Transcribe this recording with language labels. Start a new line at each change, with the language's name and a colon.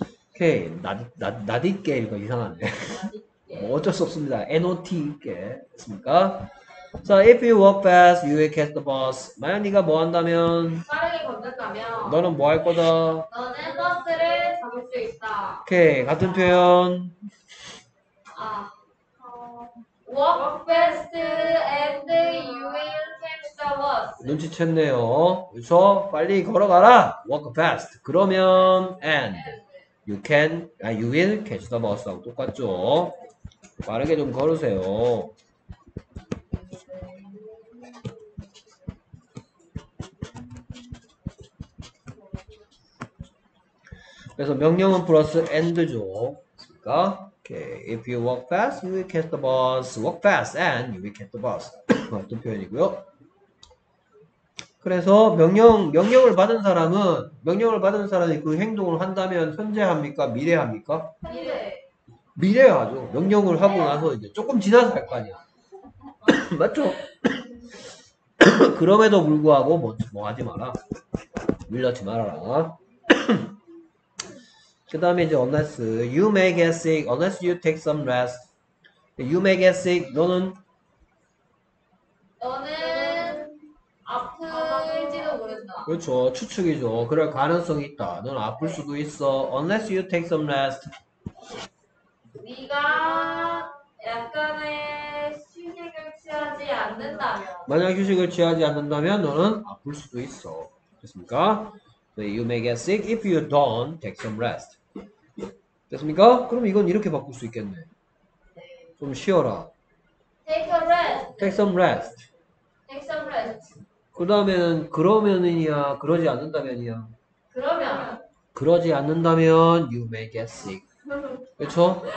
Korean: 오케이. 낯 있게 이거 이상하네. 뭐 어쩔 수 없습니다. NOT 있게. 됐습니까?
English: So if you walk fast, you will catch the bus.
Korean: 만약 네가 뭐 한다면? 빠르게 걷는다면? 너는 뭐 할 거다? 너는 버스를 잡을 수 있다. 오케이. 같은 표현. 아.
English: Walk fast and you will catch the bus.
Korean: 눈치챘네요. 그래서 빨리 걸어가라.
English: Walk fast.
Korean: 그러면
English: and you can, you will catch the bus.
Korean: 하고 똑같죠. 빠르게 좀 걸으세요. 그래서 명령은 플러스 and죠. 그러니까. Okay.
English: If you walk fast, you will catch the bus. Walk fast and you will catch the bus.
Korean: 어떤 표현이고요. 그래서 명령을 받은 사람은 명령을 받은 사람이 그 행동을 한다면 현재 합니까? 미래 합니까? 미래. 미래 하죠. 명령을 미래. 하고 나서 이제 조금 지나서 할 거 아니야. 맞죠? 그럼에도 불구하고 뭐 하지 마라. 밀러지 말아라. 그 다음에 이제
English: unless you may get sick unless you take some rest you may get sick
Korean: 너는 아플지도 모른다 그렇죠 추측이죠 그럴 가능성이 있다 넌 아플 수도 있어
English: unless you take some rest
Korean: 네가 약간의 휴식을 취하지 않는다면 만약 휴식을 취하지 않는다면 너는 아플 수도 있어 됐습니까?
English: So you may get sick if you don't take some rest
Korean: 됐습니까? 그럼 이건 이렇게 바꿀 수 있겠네. 네. 좀 쉬어라.
English: Take a rest. Take some rest. Take some rest.
Korean: 그 다음에는 그러면이냐, 그러지 않는다면이야. 그러면. 그러지 않는다면
English: you may get sick.
Korean: 그쵸?